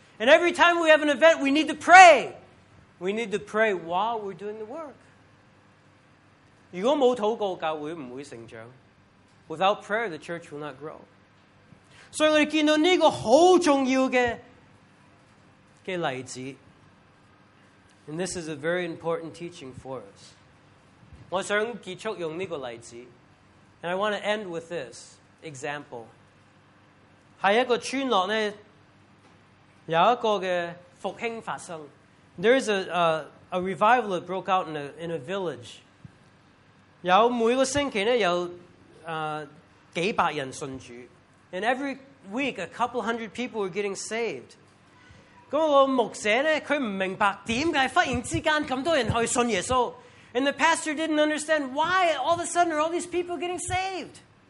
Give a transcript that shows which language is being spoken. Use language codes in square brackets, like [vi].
[en] And every time we have an event, we need to pray. We need to pray while we're doing the work. [zh] 如果没有祷告，教会不会成长。 [en] Without prayer, the church will not grow. [zh] 所以我们看到这个很重要的例子。 [en] And this is a very important teaching for us. [zh] 我想结束用这个例子。 [en] And I want to end with this example. [zh] 在一个村落呢，有一个的复兴发生。 [en] There is a revival that broke out in a village. [zh] 有每个星期呢，有几百人信主。 [en] And every week, a couple hundred people were getting saved. [zh] 那个牧者呢，他不明白点解忽然之间咁多人去信耶稣。 [en] And the pastor didn't understand why all of a sudden are all these people getting saved.